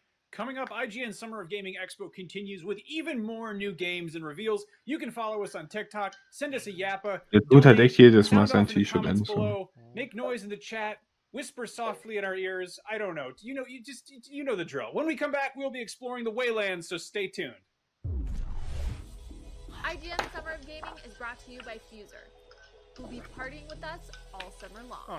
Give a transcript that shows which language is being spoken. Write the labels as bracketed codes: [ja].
[en] Coming up, IGN Summer of Gaming Expo continues with even more new games and reveals. You can follow us on TikTok, send us a yappa. [de] Der Dude hat echt jedes Mal sein T-Shirt an. [en] Make noise in the chat, whisper softly in our ears. I don't know. You know the drill. When we come back, we'll be exploring the Waylands, so stay tuned. IGN Summer of Gaming is brought to you by Fuser, who will be partying with us all summer long.